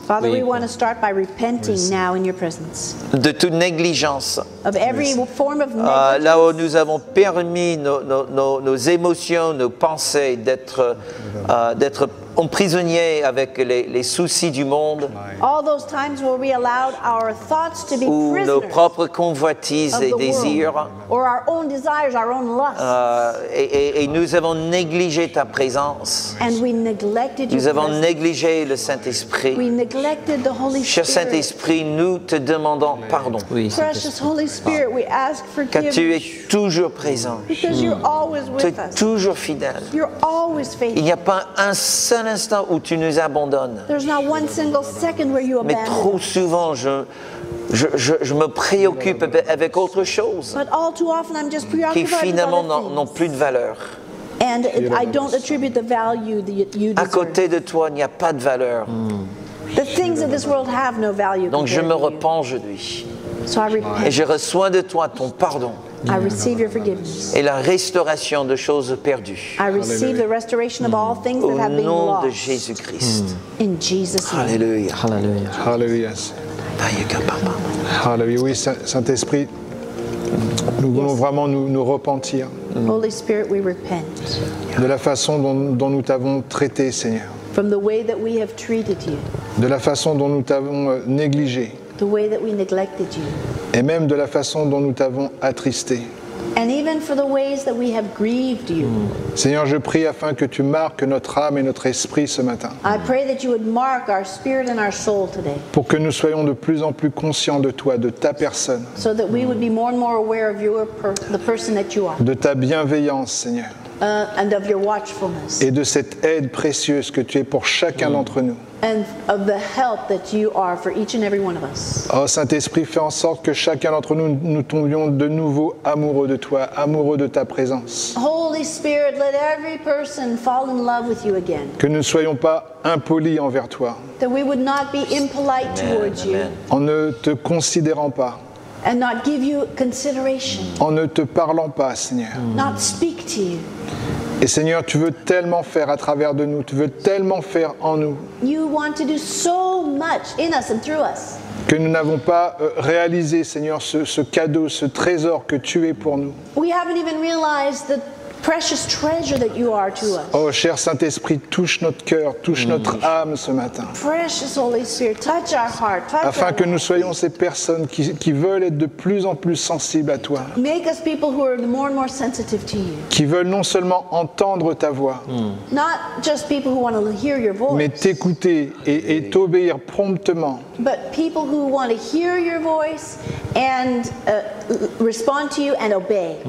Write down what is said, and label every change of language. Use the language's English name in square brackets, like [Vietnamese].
[English] Father, we want to start by repenting now in your presence. [French] De toute négligence. [English] Of every form of negligence. [French] Là où nous avons permis nos émotions, nos pensées d'être emprisonnés avec les soucis du monde. [English] All those times where we allowed our thoughts to be prisoners. [French] Ou nos propres convoitises et désirs. [English] Or our own desires, our own lusts. [French] Et nous avons négligé ta présence. [English] And we neglected your presence. [French] Nous avons négligé le Saint-Esprit. Cher Saint-Esprit, nous te demandons pardon. Car tu es toujours présent. Tu es toujours fidèle. [English] You're always faithful. [French] Il n'y a pas un seul instant où tu nous abandonnes. [English] There's not one single second where you abandon. [French] Mais trop souvent, je me préoccupe avec autre chose qui finalement n'ont plus de valeur. [English] And I don't attribute the value that you deserve. [French] À côté de toi, il n'y a pas de valeur. [English] The things of this world have no value. [French] Donc je me repens aujourd'hui. [English] So I repent. [French] Et je reçois de toi ton pardon. [English] I receive your forgiveness. [French] Et la restauration de choses perdues. [English] I receive the restoration of all things that have been lost. [French] Au nom de Jésus-Christ. [English] In Jesus' name. Hallelujah. Hallelujah. Hallelujah. Hallelujah. [French] Hallelujah. Oui, Saint-Esprit, nous voulons vraiment nous repentir. [English] Holy Spirit, we repent. [French] De la façon dont nous t'avons traité, Seigneur. [English] From the way that we have treated you. [French] De la façon dont nous t'avons négligé. [English] The way that we neglected you. [French] Et même de la façon dont nous t'avons attristé. [English] And even for the ways that we have grieved you. [French] Seigneur, je prie afin que tu marques notre âme et notre esprit ce matin. [English] I pray that you would mark our spirit and our soul today. [French] Pour que nous soyons de plus en plus conscients de toi, de ta personne. [English] So that we would be more and more aware of your the person that you are. [French] De ta bienveillance, Seigneur. [English] And of your watchfulness. [French] Et de cette aide précieuse que tu es pour chacun d'entre nous. [English] And of the help that you are for each and every one of us. [French] Oh, Saint-Esprit, fais en sorte que chacun d'entre nous, nous tombions de nouveau amoureux de toi, amoureux de ta présence. [English] Holy Spirit, let every person fall in love with you again. [French] Que nous ne soyons pas impolis envers toi. [English] That we would not be impolite towards you. [French] En ne te considérant pas. [English] And not give you consideration. [French] En ne te parlant pas, Seigneur. [English] Not speak to you. [French] Et Seigneur, tu veux tellement faire à travers de nous, tu veux tellement faire en nous. [English] You want to do so much in us and through us. [French] Que nous n'avons pas réalisé, Seigneur, ce cadeau, ce trésor que tu es pour nous. [English] We haven't even realized the precious treasure that you are to us. [French] Oh, cher Saint-Esprit, touche notre cœur, touche notre âme ce matin. [English] Precious Holy Spirit, touch our heart, touch [French] afin que nous soyons ces personnes qui veulent être de plus en plus sensibles à toi. [English] Make us people who are more and more sensitive to you. [French] Qui veulent non seulement entendre ta voix, [English] not just people who want to hear your voice, [French] mais t'écouter et t'obéir promptement. [English] But people who want to hear your voice and respond to you and obey.